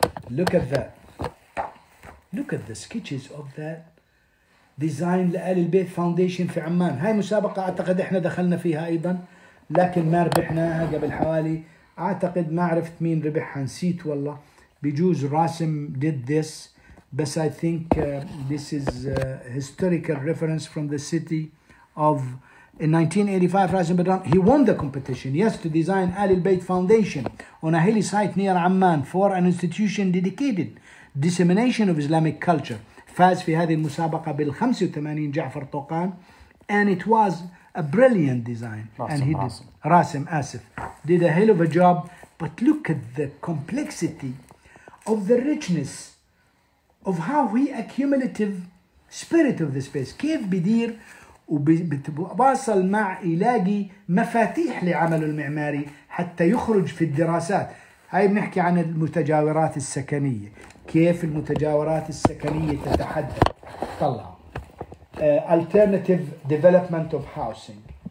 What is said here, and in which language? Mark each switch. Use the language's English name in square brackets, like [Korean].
[English] Look at that. Look at the sketches of that design لآل البيت foundation في عمان. [Arabic] هاي مسابقة أعتقد إحنا دخلنا فيها أيضا لكن ما ربحناها قبل حوالي, أعتقد ما عرفت مين ربحها, نسيت والله. بجوز [English] راسم did this, but I think this is a historical reference from the city of in 1985. Raisim Badran, he won the competition, yes, to design Ahl al-Bayt Foundation on a hilly site near Amman for an institution dedicated dissemination of Islamic culture. [Arabic] فاز في هذه المسابقة بال 85 جعفر طوقان, [English] and it was a brilliant design. Rasim, did a hell of a job. But look at the complexity of the richness of how he accumulative spirit of the space. [Arabic] كيف بدير وبواصل مع إلاقي مفاتيح لعمله المعماري حتى يخرج في الدراسات. هاي بنحكي عن المتجاورات السكنية. كيف المتجاورات السكنية تتحدث. طلع. [English] Alternative development of housing.